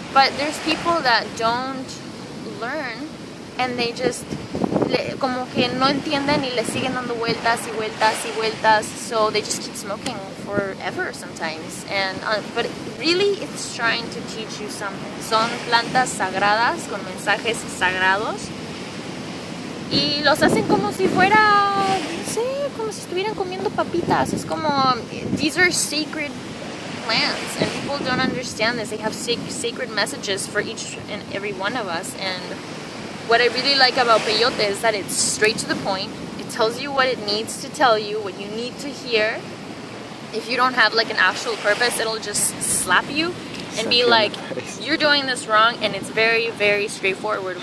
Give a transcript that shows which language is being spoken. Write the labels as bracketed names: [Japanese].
[English] But there's people that don't learn, and they just [Spanish] como que no entienden y le siguen dando vueltas y vueltas y vueltas. [English] So they just keep smoking forever sometimes. And but really, it's trying to teach you something. [Spanish] Son plantas sagradas con mensajes sagrados. Y los hacen como si fuera, no sé, como si estuvieran comiendo papitas. [English] It's como, these are sacred plants. And people don't understand this. They have sacred messages for each and every one of us. And what I really like about peyote is that it's straight to the point. It tells you what it needs to tell you, what you need to hear. If you don't have like an actual purpose, it'll just slap you and be like, you're doing this wrong, and it's very, very straightforward.